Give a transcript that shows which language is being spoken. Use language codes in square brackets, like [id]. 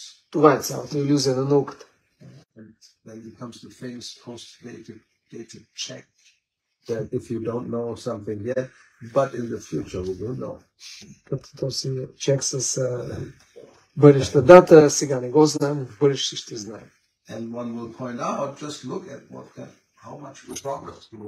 [bg] Това е цялата илюзия на науката. [en] Then it comes to famous post-data check that if you don't know something yet, but in the future we will know. [bg] Този чек с бъдеща дата, сега не го знам, в бъдеще ще знаем. [en] And one will point out, just look at how much we progress.